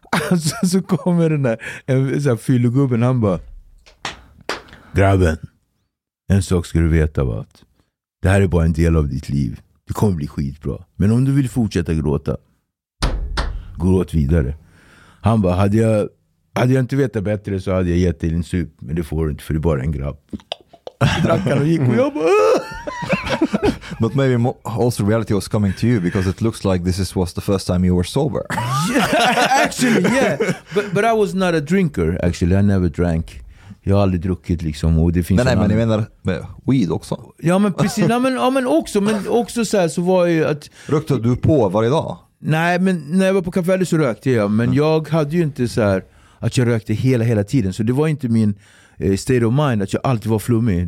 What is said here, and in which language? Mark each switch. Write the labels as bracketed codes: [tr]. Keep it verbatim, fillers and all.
[sv] Alltså så kommer den där en, så här fyllogubben. Han bara grabben, en sak ska du veta va, att det här är bara en del av ditt liv. Det kommer bli skitbra. Men om du vill fortsätta gråta, gråt vidare. Han bara, hade jag, hade jag inte vetat bättre så hade jag gett dig en sup. Men det får du inte för det är bara en grabb. Drackar och gick och jag bara... [en] But maybe mo- also reality was coming to you because it looks like this is, was the first time you were sober. Yeah, actually, yeah. But, but I was not a drinker, actually. I never drank. [sv] Jag har aldrig druckit liksom och det finns nej, nej men jag menar med weed också. Ja men precis, nej, men, ja, men också men också så här så var ju att rökte du på varje dag? Nej men när jag var på Kapvärde så rökte jag men mm. jag hade ju inte så här att jag rökte hela hela tiden så det var inte min eh, [en] state of mind [sv] att jag alltid var flummig.